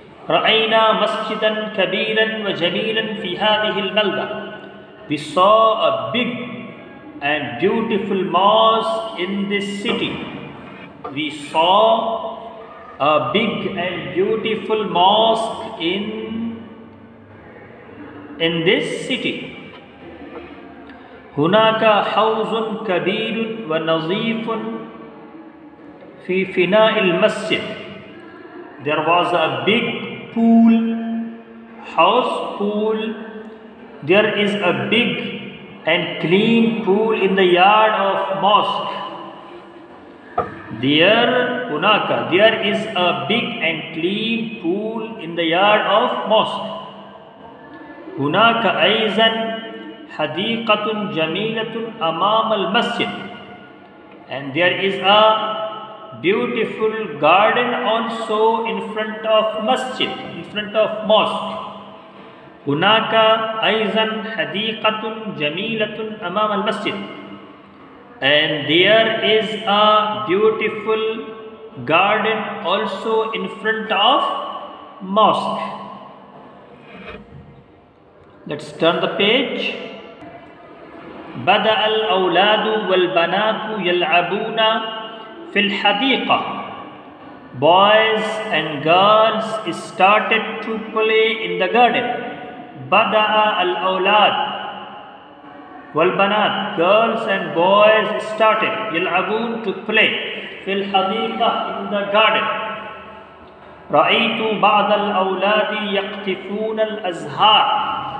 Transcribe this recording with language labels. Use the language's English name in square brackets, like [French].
[Arabic] رأينا مسجدا كبيرا وجميلا في هذه البلدة. [English] We saw a big and beautiful mosque in this city. We saw a big and beautiful mosque in this city. [Arabic] هناك حوض كبير ونظيف في فناء المسجد. [English] There was a big pool, house pool. There is a big and clean pool in the yard of mosque. There is a big and clean pool in the yard of mosque. [Arabic] هناك أيضا حديقة جميلة أمام المسجد. [English] And there is a beautiful garden also in front of masjid, in front of mosque. [Arabic] هناك أيضا حديقة جميلة أمام المسجد. [English] And there is a beautiful garden also in front of mosque. Let's turn the page. [Arabic] بدأ الأولاد والبنات يلعبون في الحديقة. [English] Boys and girls started to play in the garden. [Arabic] بدأ الأولاد والبنات, [English] girls and boys started [Arabic] يلعبون [English] to play [Arabic] في الحديقة [English] in the garden. [Arabic] رأيت بعض الأولاد يقطفون الأزهار.